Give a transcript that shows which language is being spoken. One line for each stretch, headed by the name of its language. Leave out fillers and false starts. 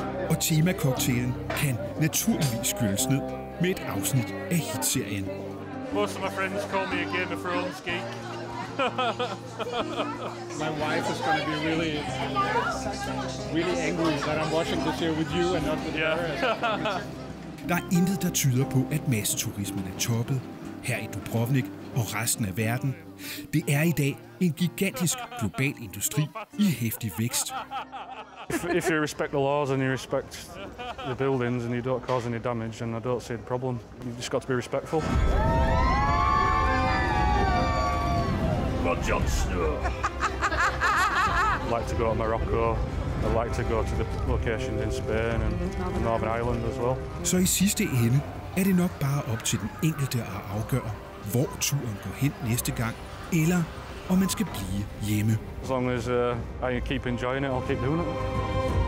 Danish: Og temacocktailen kan naturligvis skylles ned med et afsnit af hitserien.
English: Most of my friends call me a Game of Thrones geek. My wife is going to be really, really angry that I'm watching this here with you and not with her.
Danish: Der er intet, der tyder på, at masseturismen er toppet her i Dubrovnik og resten af verden. Det er i dag en gigantisk global industri i heftig vækst.
English: If you respect the laws and you respect the buildings and you don't cause any damage, and I don't see the problem, you've just got to be respectful. Jon Snow. I'd like to go to Morocco. I'd like to go to the locations in Spain and Northern Ireland as well.
Danish: Så i sidste ende er det nok bare op til den enkelte at afgøre, hvor turen går hen næste gang, eller om man skal blive hjemme.
English: As long as I keep enjoying it, I'll keep doing it.